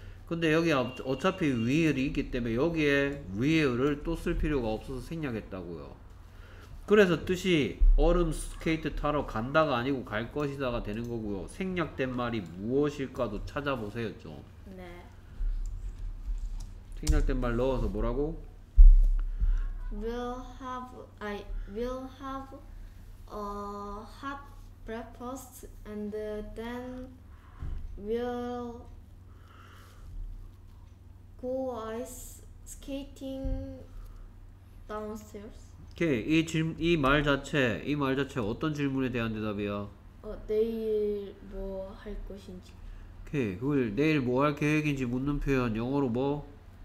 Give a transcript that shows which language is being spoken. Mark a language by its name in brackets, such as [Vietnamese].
[Korean] 근데 여기 어차피 will이 있기 때문에 여기에 will을 또 쓸 필요가 없어서 생략했다고요. 그래서 뜻이 얼음 스케이트 타러 간다가 아니고 갈 것이다가 되는 거고요. 생략된 말이 무엇일까도 찾아보세요, 좀. 네. 생략된 말 넣어서 뭐라고? [English] We'll have a hot breakfast and then we'll go ice skating downstairs. [Korean] 오케이. 이 말 자체 어떤 질문에 대한 대답이야? 내일 뭐 할 것인지. 오케이. 그걸 내일 뭐 할 계획인지 묻는 표현 영어로 뭐?